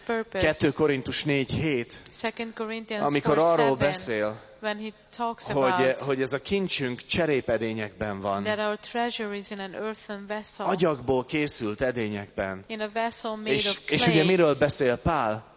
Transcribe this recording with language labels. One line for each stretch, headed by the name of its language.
Hungarian: 2 Korintus 4:7, amikor arról beszél,
English: when he talks about
Hungarian: hogy ez a kincsünk cserépedényekben van.
English: That our treasure is in an earthen vessel.
Hungarian: Agyagból készült edényekben.
English: In a vessel made
Hungarian: és,
English: of clay.
Hungarian: És ugye miről beszél Pál?